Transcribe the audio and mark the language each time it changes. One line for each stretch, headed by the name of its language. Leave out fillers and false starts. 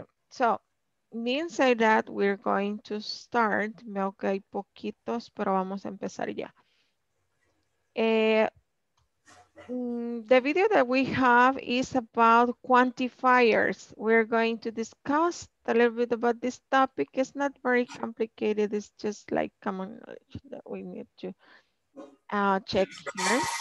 English: So, being said that, we're going to start.
Spanish: Veo que hay poquitos, pero vamos a empezar ya.
English: The video that we have is about quantifiers. We're going to discuss a little bit about this topic. It's not very complicated. It's just like common knowledge that we need to check here.